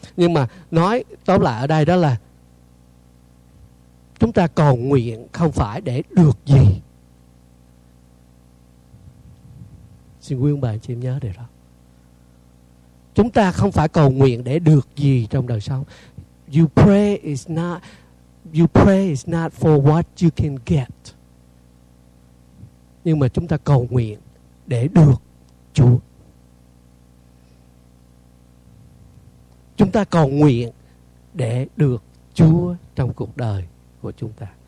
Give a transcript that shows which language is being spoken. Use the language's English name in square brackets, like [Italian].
[Vietnamese] Nhưng mà nói tóm lại ở đây đó là chúng ta cầu nguyện không phải để được gì. Xin quý ông bà anh chị em nhớ điều đó. Chúng ta không phải cầu nguyện để được gì trong đời sống. [English] You pray is not for what you can get. [Vietnamese] Nhưng mà chúng ta cầu nguyện để được Chúa. Chúng ta cầu nguyện để được Chúa trong cuộc đời của chúng ta.